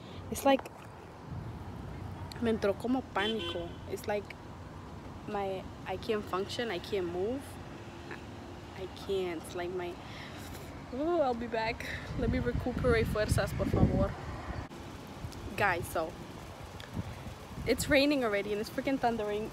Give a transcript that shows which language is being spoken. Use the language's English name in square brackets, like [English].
[English] It's like [Spanish] me entró como pánico. [English] It's like I can't function, I can't move. I can't, like my, I'll be back. Let me recuperate [Spanish] fuerzas, por favor. [English] Guys, so, it's raining already and it's freaking thundering.